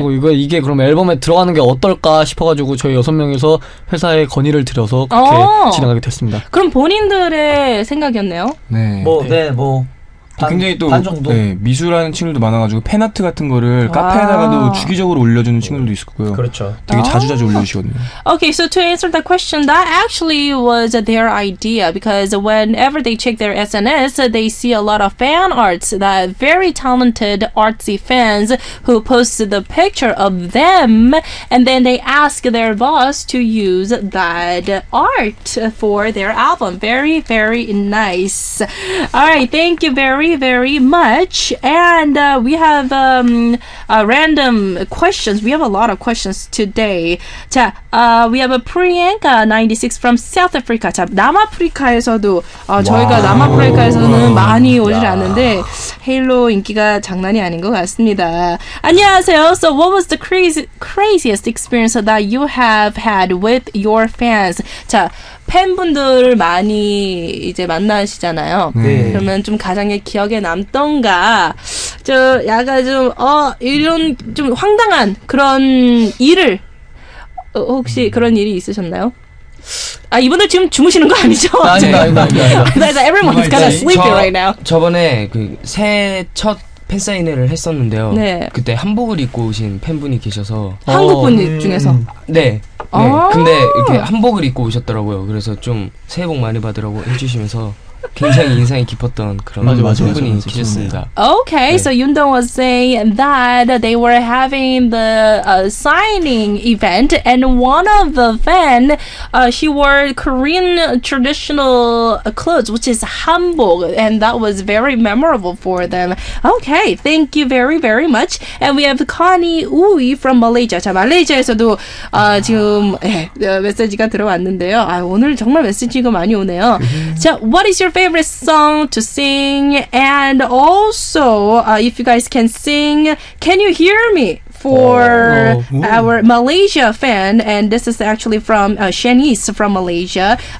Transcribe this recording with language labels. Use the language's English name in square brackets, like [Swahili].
[Korean] 그리고 이게 그럼 앨범에 들어가는 게 어떨까 싶어가지고 저희 여섯 명에서 회사에 건의를 드려서 그렇게 진행하게 됐습니다. 그럼 본인들의 생각이었네요. 네. 뭐 굉장히 또 반 정도? 네, 미술하는 친구들도 많아가지고 팬아트 같은 거를 카페에다가도 주기적으로 올려주는 친구들도 있었고요. 그렇죠. 되게 자주 올려주시거든요. [English] Okay, so to answer that question, that actually was their idea because whenever they check their SNS, they see a lot of fan arts, that very talented artsy fans who posted the picture of them, and then they ask their boss to use that art for their album. Very, very nice. Alright, thank you very much. And we have random questions. We have a lot of questions today. 자, we have a Priyanka 96 from South Africa. [Korean] 자, 남아프리카에서도 저희가 남아프리카에서는 많이 오질 않는데 헤일로 인기가 장난이 아닌 것 같습니다. 안녕하세요. [English] So what was the craziest experience that you have had with your fans? 자, [Korean] 팬분들을 많이 이제 만나시잖아요. 네. 그러면 좀 가장 기억에 남던가, 저 약간 좀 이런 좀 황당한 그런 일을 혹시 그런 일이 있으셨나요? 아, 이분들 지금 주무시는 거 아니죠? 아니요. [English] Everyone's gonna sleep right now. [Korean] 저번에 그 새해 첫 팬사인회를 했었는데요. 네. 그때 한복을 입고 오신 팬분이 계셔서. 한국분 중에서? 네. 네. 근데 이렇게 한복을 입고 오셨더라고요. 그래서 좀 새해 복 많이 받으라고 해주시면서 굉장히 인상이 깊었던 그런 팬분이 계셨습니다. [English] Okay, 네. So Yundong was saying that they were having the signing event, and one of the fan, she wore Korean traditional clothes, which is hanbok, and that was very memorable for them. Okay, thank you very very much. And we have Connie Ui from Malaysia. [Korean] 자, 말레이시아에서도 지금 메시지가 들어왔는데요. 아, 오늘 정말 메시지가 많이 오네요. [English] 자, what is your favorite song to sing, and also if you guys can sing, can you hear me for our Malaysia fan? And this is actually from Shanice from Malaysia.